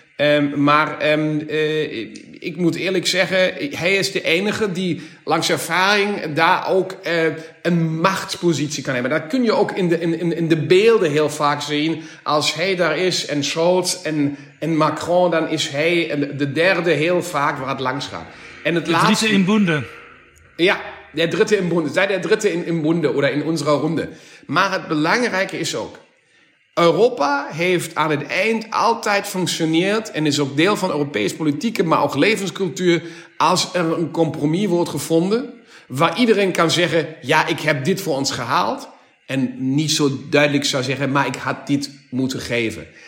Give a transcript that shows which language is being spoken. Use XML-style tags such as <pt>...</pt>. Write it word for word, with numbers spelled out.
<nl>Um, maar um, uh, ik moet eerlijk zeggen, hij is de enige die langs ervaring daar ook uh, een machtspositie kan hebben. Dat kun je ook in de, in, in de beelden heel vaak zien. Als hij daar is en Scholz en, en Macron, dan is hij de derde heel vaak waar het langs gaat. En het de laatste in Bunde. Ja.</nl> <de>Der Dritte im Bunde, sei der Dritte in, im Bunde oder in unserer Runde.</de> <nl>Maar het belangrijke is ook, Europa heeft aan het eind altijd functioneerd en is ook deel van Europese politieke, maar ook levenscultuur, als er een compromis wordt gevonden, waar iedereen kan zeggen, ja, ik heb dit voor ons gehaald. En niet zo duidelijk zou zeggen, maar ik had dit moeten geven.</nl>